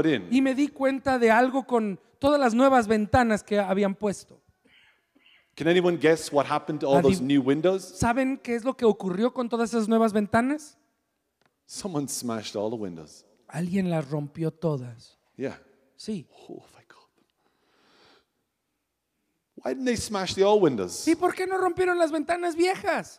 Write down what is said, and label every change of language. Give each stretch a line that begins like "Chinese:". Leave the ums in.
Spanish: Y me di cuenta de algo con todas las nuevas ventanas que habían puesto.
English: Can anyone guess what happened to all those new windows?
Spanish: ¿Saben qué es lo que ocurrió con todas esas nuevas ventanas?
English: Someone smashed all the windows.
Spanish: Alguien las rompió todas.
English: Yeah.
Spanish: Sí. Oh, ¿Y por qué no rompieron las ventanas viejas?